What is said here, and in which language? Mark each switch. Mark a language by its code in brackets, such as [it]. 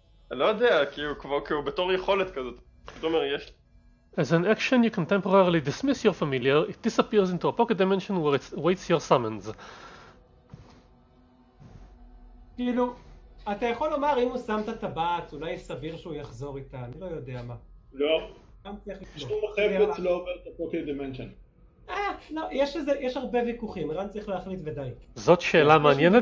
[he] אני לא יודע, כי הוא כבר, כי הוא בתור יכולת כזאת. זאת אומרת, יש... [en] As an action, you can temporarily dismiss your familiar, it disappears into a pocket dimension where it waits your summons. [he] כאילו, אתה יכול לומר, אם הוא שם את הטבעת, אולי סביר שהוא יחזור איתה, אני לא יודע מה. לא. שום החפץ לא עובר את הפוקט דימנשן. לא, יש איזה, יש הרבה ויכוחים, רן צריך להחליט ודי. זאת שאלה מעניינת.